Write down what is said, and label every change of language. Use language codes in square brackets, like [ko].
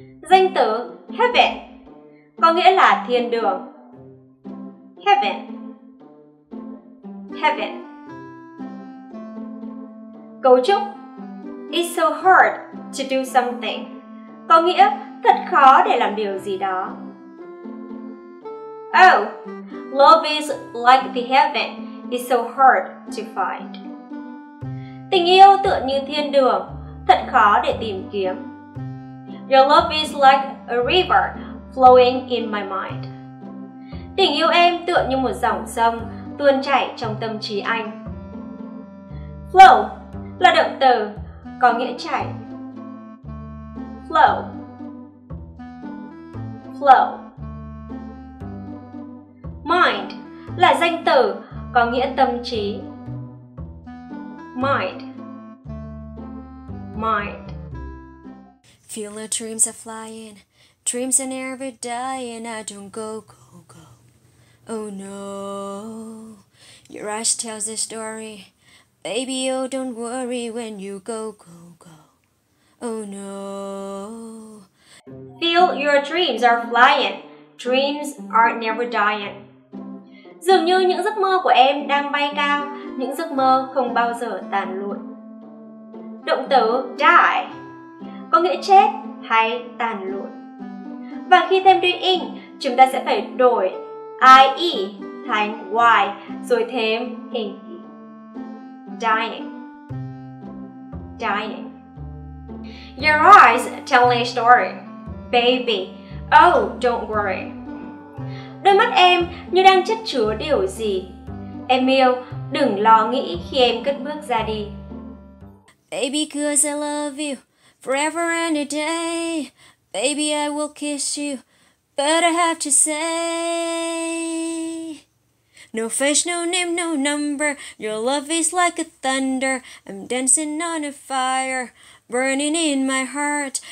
[vi] Danh từ heaven có nghĩa là thiên đường. Heaven. Heaven. Cấu trúc [en] it's so hard to do something [vi] có nghĩa thật khó để làm điều gì đó. [en] Oh, love is like the heaven, it's so hard to find. [vi] Tình yêu tựa như thiên đường, thật khó để tìm kiếm. [en] Your love is like a river flowing in my mind. [vi] Tình yêu em tựa như một dòng sông tuôn chảy trong tâm trí anh. Flow là động từ có nghĩa chảy. Flow. [en] Flow. [vi] Mind là danh từ có nghĩa tâm trí. [en] Mind. Mind. Feel the dreams are flying. Dreams are never dying. I don't go, go, go. Oh no. Your eyes tell the story. Baby, oh, don't worry when you go, go, go. Oh no. Feel your dreams are flying. Dreams are never dying. [vi] Dường như những giấc mơ của em đang bay cao. Những giấc mơ không bao giờ tàn lụi. Động từ die có nghĩa chết hay tàn lụi. Và khi thêm đuôi ing, chúng ta sẽ phải đổi ie thành y rồi thêm hình. [en] Dying. Dying. Your eyes tell a story. Baby, oh, don't worry. [vi] Đôi mắt em như đang chất chứa điều gì. Em yêu, đừng lo nghĩ khi em cất bước ra đi. [en] Baby, 'cause I love you forever and a day. Baby, I will kiss you, but I have to say. No face, no name, no number. Your love is like a thunder. I'm dancing on a fire, burning in my heart.